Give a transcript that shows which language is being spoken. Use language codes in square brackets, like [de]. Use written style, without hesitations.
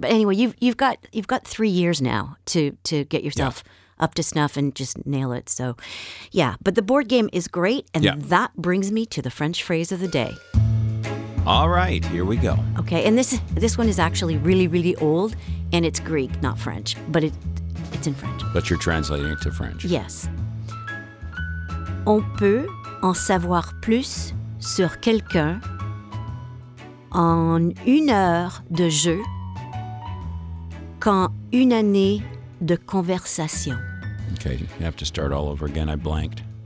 [en] But anyway, you've got 3 years now to get yourself up to snuff and just nail it. So, yeah. But the board game is great, and that brings me to the French phrase of the day. All right, here we go. Okay, and this one is actually really, really old, and it's Greek, not French, but it's in French. But you're translating it to French. Yes. [fr] On peut en savoir plus sur quelqu'un en une heure de jeu qu'en une année de conversation. [en] Okay, you have to start all over again. I blanked.